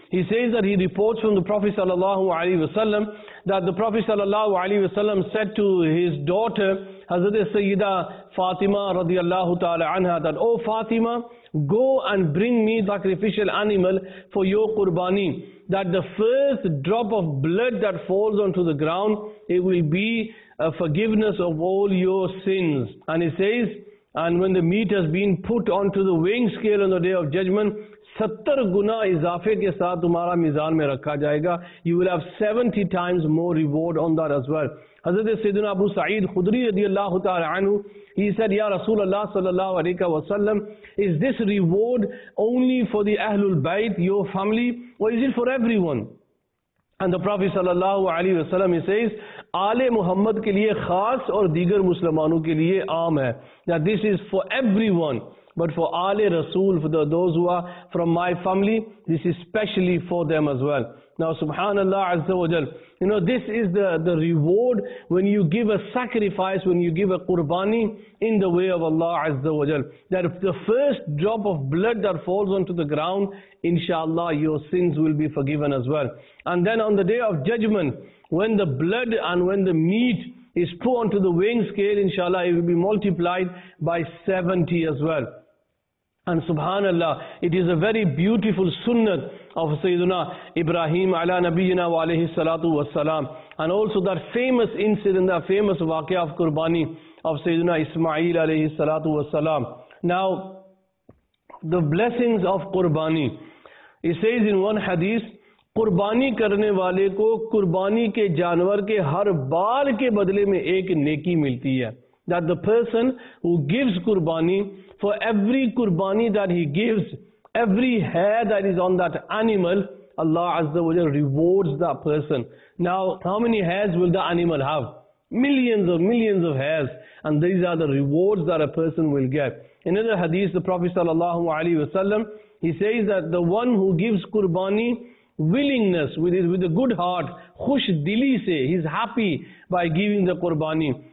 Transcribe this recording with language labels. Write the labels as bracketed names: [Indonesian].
[English] He says that he reports from the Prophet sallallahu alayhi wa sallam that the Prophet sallallahu alayhi wa sallam said to his daughter, Hazrat Sayyida Fatima radiallahu ta'ala anha, that, O Fatima, go and bring me sacrificial animal for your qurbani, that the first drop of blood that falls onto the ground, it will be a forgiveness of all your sins. And he says, and when the meat has been put onto the weighing scale on the day of judgment, [Urdu] 70 گنا اضافے کے ساتھ تمہارا میزان میں رکھا جائے گا. [English] You will have 70 times more reward on that as well. حضرت سیدنا Abu Saeed Khudri رضی اللہ تعالی عنہ, he said, یا رسول اللہ صلی اللہ علیہ وسلم, is this reward only for the اہل البیت, your family, or is it for everyone? And the Prophet [Urdu] صلی اللہ علیہ وسلم, [English] he says, [Urdu] آل محمد کے لیے خاص اور دیگر مسلمانوں کے لیے عام ہے. [English] Now this is for everyone. But for آل رسول, for those who are from my family, this is specially for them as well. Now subhanAllah azza wa jal, you know, this is the reward when you give a sacrifice, when you give a qurbani in the way of Allah azza wa jal. That if the first drop of blood that falls onto the ground, inshallah your sins will be forgiven as well. And then on the day of judgment, when the blood and when the meat is put onto the weighing scale, inshallah it will be multiplied by 70 as well. And subhanallah, it is a very beautiful sunnah of Sayyiduna Ibrahim ala nabiyyina wa alayhi salatu wa salam. And also that famous incident, that famous waqia of qurbani of Sayyiduna Ismail alayhi salatu wa salam. Now, the blessings of qurbani. It says in one hadith, [Urdu] قربانی کرنے والے کو قربانی کے جانور کے ہر بال کے بدلے میں ایک نیکی ملتی ہے. [English] That the person who gives qurbani, for every qurbani that he gives, every hair that is on that animal, Allah Azza wa Jal rewards that person. Now, how many hairs will the animal have? Millions of millions of hairs. And these are the rewards that a person will get. In another hadith, the Prophet sallallahu alaihi wasallam, he says that the one who gives qurbani willingness, with a good heart, [Urdu] khush dili se, [English] he's happy by giving the qurbani.